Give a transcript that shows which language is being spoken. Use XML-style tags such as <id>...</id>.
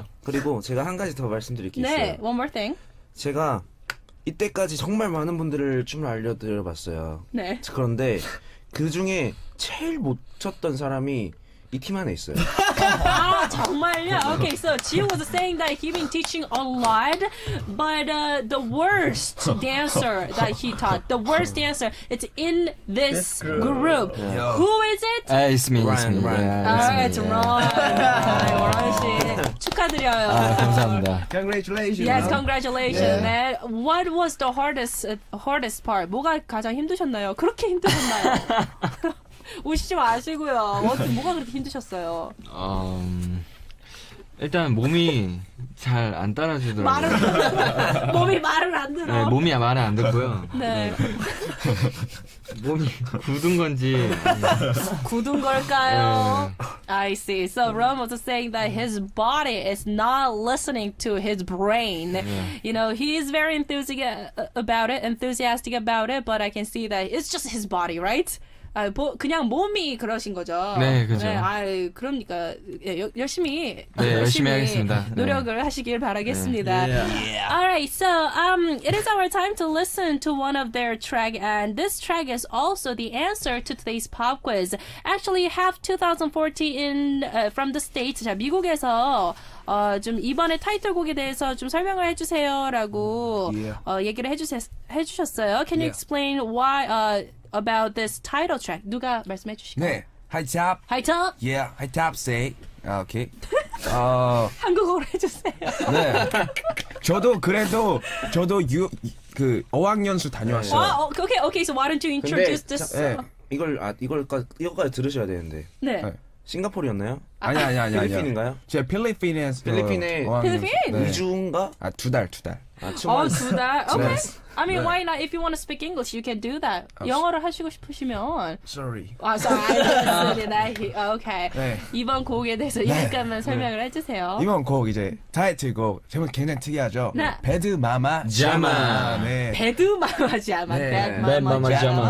<ko>그리고 제가 한 가지 더 말씀드릴 게 있어요.</ko> <en>네, one more thing.</en> <ko>제가 이때까지 정말 많은 분들을 춤을 알려드려봤어요. 네. 그런데 그 중에 제일 못 췄던 사람이 이 팀 안에 있어요. 아 정말요?</ko> <en>Okay, so Jiyoung was saying that he's been teaching a lot, but the worst dancer that he taught, the worst dancer, it's in this group. Yeah. Who is it? It's me. Ryan. It's me. Ryan. Yeah, it's me. It's Ron. Ron 씨,</en> <ko>축하드려요. 아, 감사합니다.</ko> <en>Congratulations. Yes, congratulations, yeah. man. What was the hardest part?</en> <ko>뭐가 가장 힘드셨나요? 그렇게 힘드셨나요? 우시지 마시고요. 어쨌든 뭐가 그렇게 힘드셨어요? 일단 몸이 잘 안 따라주더라고요. 말을 몸이 말을 안 들어. 네, 몸이 말을 안 듣고요. 네. 몸이 굳은 건지. 굳은 걸까요? 네.</ko> <en>I see. So Ron was saying that his body is not listening to his brain. Yeah. You know, he is very enthusiastic about it, but I can see that it's just his body, right?</en> <ko>아, 그냥 몸이 그러신 거죠. 네, 그죠. 네, 아, 그러니까 열심히 네, 열심히 하겠습니다. 노력을 네. 하시길 바라겠습니다. 네. Yeah.</ko> <en>All right, so it is our time to listen to one of their track, and this track is also the answer to today's pop quiz. Actually, have 2014 from the States.</en> <ko>자, 미국에서 좀 이번에 타이틀곡에 대해서 좀 설명을 해주세요라고</ko> <en>yeah.</en> <ko>얘기를 해주셨어요.</ko> <en>Can you explain why? About this title track,</en> <ko>누가 말씀해 주실까요? 네, High Top. High Top.</ko> <en>Yeah, High Top say. Okay.</en> <ko>한국어로 해주세요. 네. 저도 그 어학연수 다녀왔어요.</ko> <en>아, okay. So why don't you introduce</en> <ko>이걸 이걸까 이거까지 들으셔야 되는데. 네. 싱가포르였나요? 아니. 필리핀인가요? 제가 필리핀에서 필리핀에 필리핀 2주인가? 아, 두 달. 아, 두 달. Okay.</ko> <en>I mean, why not? If you want to speak English, you can do that.</en> <ko>영어를 하시고 싶으시면.</ko> <en>Sorry.</en> <ko>아, sorry. Okay. 이번 곡에 대해서 약간만 설명을 해주세요. 이번 곡 이제 타이틀곡 제목 굉장히 특이하죠. 배드 마마 자마. 배드 마마 자마. 배드 마마 자마.</ko>